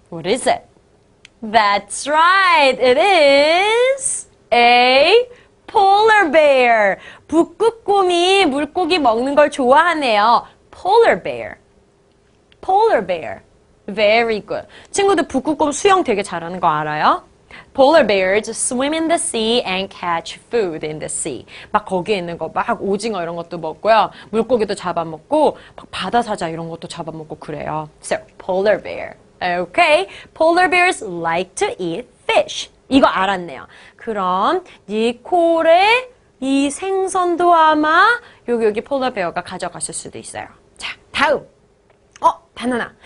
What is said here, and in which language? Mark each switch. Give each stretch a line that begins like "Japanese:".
English: What is it? That's right. It is a polar bear.
Korean: 북극곰이 물고기 먹는 걸 좋아하네요.
English: Polar bear. Polar bear. Very good.
Korean: 친구들 북극곰 수영 되게 잘하는 거 알아요?
English: Polar bears swim in the sea and catch food in the sea.
Korean: 막 거기에 있는 거, 막 오징어 이런 것도 먹고요. 물고기도 잡아먹고, 막 바다사자 이런 것도 잡아먹고 그래요.
English: So, polar bear. Okay. Polar bears like to eat fish.
Korean: 이거 알았네요. 그럼, 니콜의 이 생선도 아마 여기 polar bear가 가져갔을 수도 있어요. 자, 다음. 바나나.